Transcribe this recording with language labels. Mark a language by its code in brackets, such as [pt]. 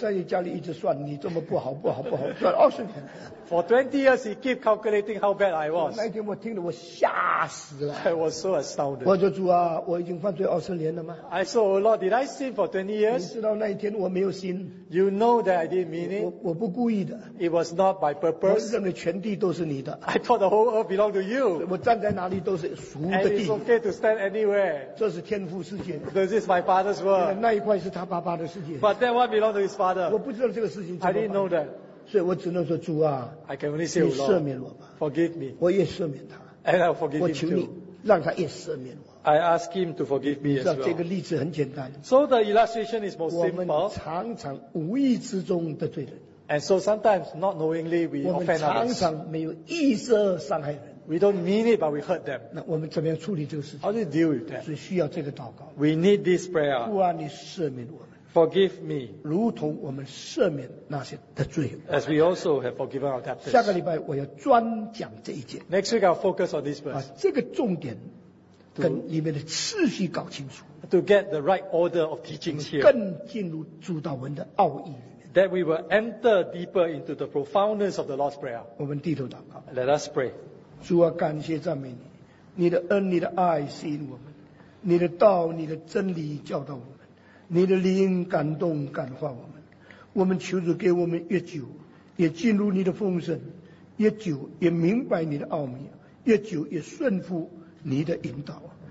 [zh] 在你家里一直算，你这么不好，不好，不好，算二十年。 [en] For 20 years, he kept calculating how bad I was. [zh] 那天我听了，我吓死了。 [en] I was so astounded. [zh] 我说主啊，我已经犯罪二十年了吗 [en] ？I said, Oh Lord, did I sin for 20 years? [zh] 你知道那一天我没有sin。 [en] You know that I didn't mean it. [zh] 我不故意的。 [en] It was not by purpose. [zh] 我认为全地都是你的。 [en] I thought the whole earth belonged to you. [zh] 我站在哪里都是属的地。 [en] And it's okay to stand anywhere. [zh] 这是天父世界。 [en] This is my father's world. [zh] 那一块是他爸爸的世界。 [en] But that one belonged to his father. [zh] 我不知道这个事情怎么办。 [en] I didn't know that. [zh] 所以我只能说主啊 [en] I can only say, [zh] 你赦免我吧 [en] forgive me. [zh] 我也赦免他 [en] And I'll forgive [zh] 我求你让他也赦免我 [en] I ask him to forgive me as well. [zh] 这个例子很简单 [en] So the illustration is most simple. [zh] 我们常常无意之中得罪人 [en] And so sometimes not knowingly we offend others. [zh] 我们常常没有意识伤害人 [en] We don't mean it but we hurt them. [zh] 那我们怎么样处理这个事情 [en] How do you deal with that? [zh] 所以需要这个祷告 [en] We need this prayer. [zh] 主啊你赦免我们 [en] Forgive me, [zh] 如同我们赦免那些的罪。 [en] As we also have forgiven our debtors. [zh] 下个礼拜我要专讲这一节。 [en] Next week I'll focus on this verse. [zh] 啊，这个重点跟里面的次序搞清楚。 [en] To get the right order of teachings here. [zh] 更进入主祷文的奥义。 [en] That we will enter deeper into the profoundness of the Lord's Prayer. [zh] 我们低头祷告。 [en] Let us pray. [zh] 主啊，感谢赞美你，你的恩，你的爱吸引我们，你的道，你的真理教导我们。你的灵感动感化我们，我们求主给我们越久也进入你的丰盛，越久也明白你的奥秘，越久也顺服你的引导。